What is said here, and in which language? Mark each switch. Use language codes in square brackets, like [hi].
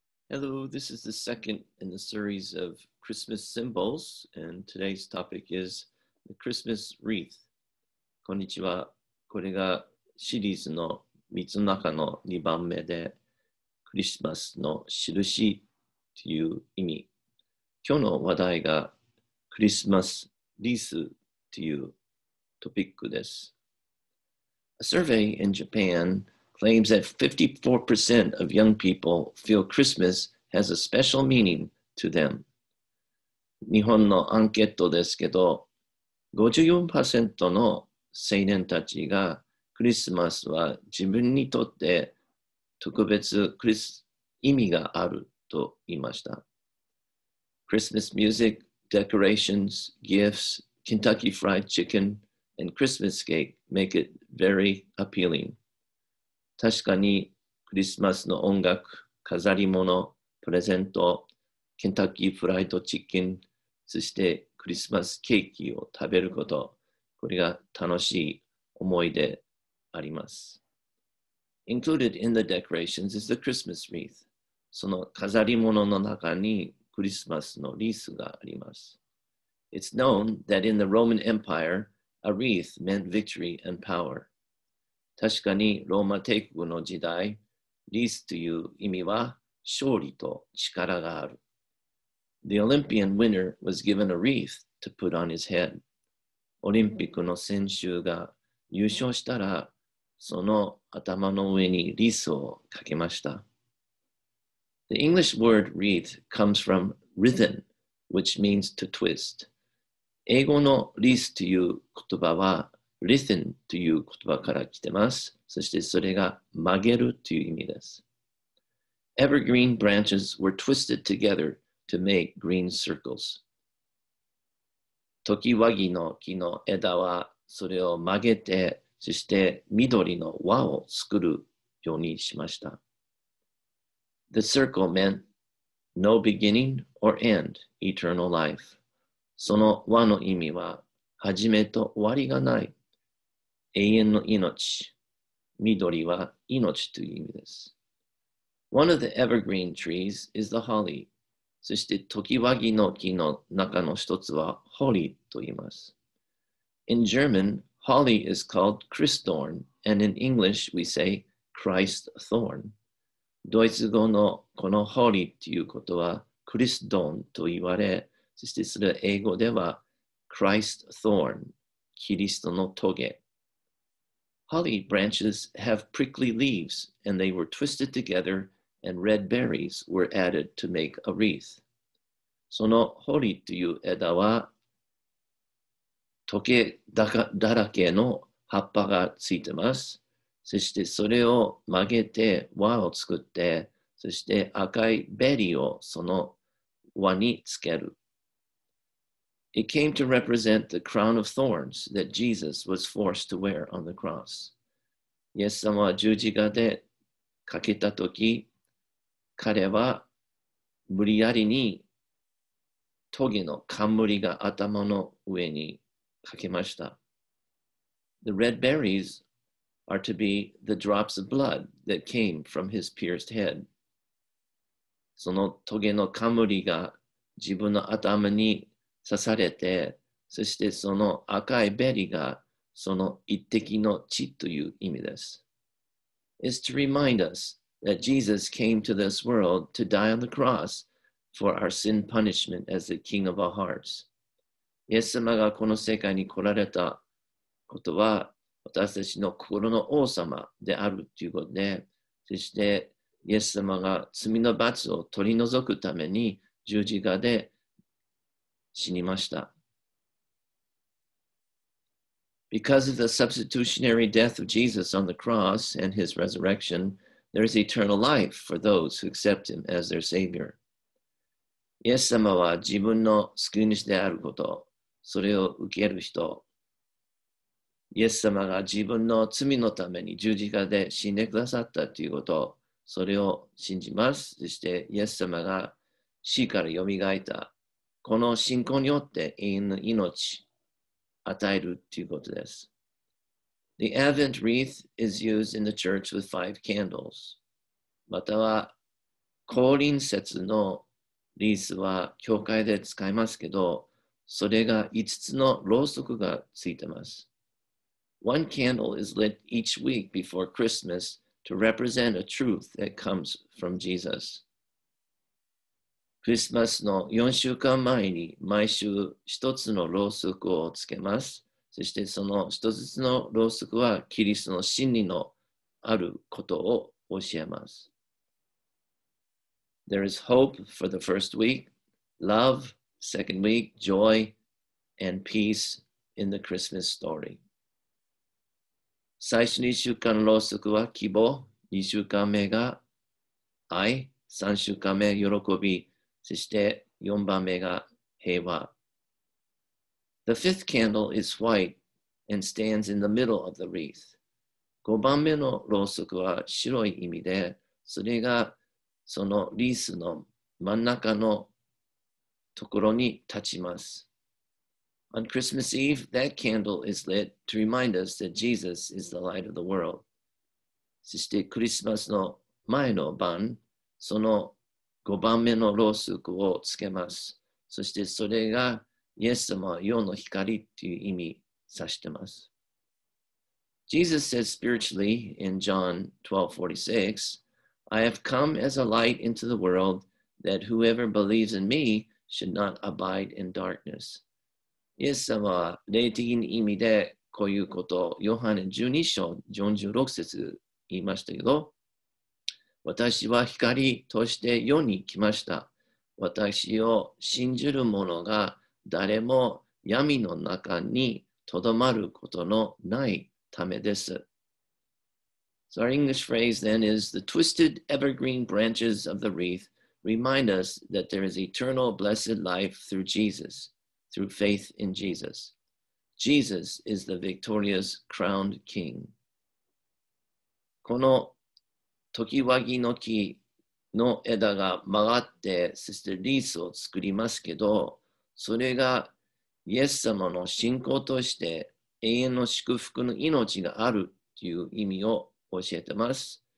[en] Hello, this is the second in the series of Christmas symbols, and today's topic is the Christmas wreath. [ja] こんにちは。これがシリーズの3つの中の2番目で、クリスマスの印という意味。今日の話題がクリスマスリースというトピックです。 [en] A survey in Japan claims that 54% of young people feel Christmas has a special meaning to them. [ja] 日本のアンケートですけど、54% の青年たちがクリスマスは自分にとって特別クリス意味があると言いました。 [en] Christmas music, decorations, gifts, Kentucky Fried Chicken, and Christmas cake make it very appealing. [ja] 確かにクリスマスの音楽、飾り物、プレゼント、ケンタッキーフライドチキン、そしてクリスマスケーキを食べること、これが楽しい思い出あります。 [en] Included in the decorations is the Christmas wreath. [ja] その飾り物の中にクリスマスのリースがあります。 [en] It's known that in the Roman Empire, a wreath meant victory and power. [ja] 確かにローマ帝国の時代、リースという意味は勝利と力がある。 [en] The Olympian winner was given a wreath to put on his head. [ja] オリンピックの選手が優勝したら、その頭の上にリースをかけました。 [en] The English word wreath comes from rhythm, which means to twist. [ja] 英語のリースという言葉は、Rhythm という言葉から来てます。そしてそれが曲げるという意味です。 [en] Evergreen branches were twisted together to make green circles. [ja] 時和木の木の枝はそれを曲げて、そして緑の輪を作るようにしました。 [en] The circle meant no beginning or end, eternal life. [ja] その輪の意味は始めと終わりがない。永遠の命、緑は命という意味です。 [en] One of the evergreen trees is the holly. [ja] そして、時和木の木の中の一つは、ホリと言います。 [en] In German, holly is called Christthorn, and in English we say Christ thorn. [ja] ドイツ語のこのホリということは、クリスドーンと言われ、そしてそれ英語では、Christ thorn、キリストのトゲ。 [en] Holly branches have prickly leaves, and they were twisted together, and red berries were added to make a wreath. [ja] そのホリという枝は、トゲだらけの葉っぱがついてます。そしてそれを曲げて輪を作って、そして赤いベリーをその輪につける。 [en] It came to represent the crown of thorns that Jesus was forced to wear on the cross. [ja] イエス様は十字架でかけたとき、彼は無理やりにトゲの冠が頭の上にかけました。 [en] The red berries are to be the drops of blood that came from his pierced head. [ja] そのトゲの冠が自分の頭に刺されて、そしてその赤いベリーがその一滴の血という意味です。 [en] It's to remind us that Jesus came to this world to die on the cross for our sin punishment as the King of our hearts. [ja] イエス様がこの世界に来られたことは、私たちの心の王様であるということで、そしてイエス様が罪の罰を取り除くために十字架で死にました。 [en] Because of the substitutionary death of Jesus on the cross and his resurrection, there is eternal life for those who accept him as their savior. [ja] イエス様は自分の救い主であること、それを受ける人、イエス様が自分の罪のために十字架で死んでくださったということ、それを信じます。そしてイエス様が死からよみがえった。この信仰によって永遠の命を与えるということです。 [en] The Advent wreath is used in the church with five candles. [ja] または降臨節のリースは教会で使いますけど、それが5つのろうそくがついてます。 [en] One candle is lit each week before Christmas to represent a truth that comes from Jesus. [ja] クリスマスの4週間前に毎週1つのろうそくをつけます。そしてその1つのろうそくはキリストの真理のあることを教えます。 [en] There is hope for the first week, love, second week, joy, and peace in the Christmas story. [ja] 最初2週間のろうそくは希望、2週間目が愛、3週間目喜び、そして4番目が平和。 [en] The fifth candle is white and stands in the middle of the wreath. [ja] 5番目のろうそくは白い意味で、それがそのリースの真ん中のところに立ちます。 [en] On Christmas Eve, that candle is lit to remind us that Jesus is the light of the world. [ja] そしてクリスマスの前の晩、その5番目のろうそくをつけます。そしてそれがイエス様、世の光っていう意味指してます。 [en] Jesus says spiritually in John 12:46, I have come as a light into the world, that whoever believes in me should not abide in darkness. [ja] イエス様は霊的な意味でこういうことをヨハネ12章46節言いましたけど、私は光として世に来ました。私を信じる者が誰も闇の中にとどまることのないためです。 [en] So our English phrase then is, the twisted evergreen branches of the wreath remind us that there is eternal blessed life through Jesus, through faith in Jesus. Jesus is the victorious crowned king. [ja] この時和木の木の枝が曲がってそしてリースを作りますけど、それがイエス様の信仰として永遠の祝福の命があるという意味を教えてます。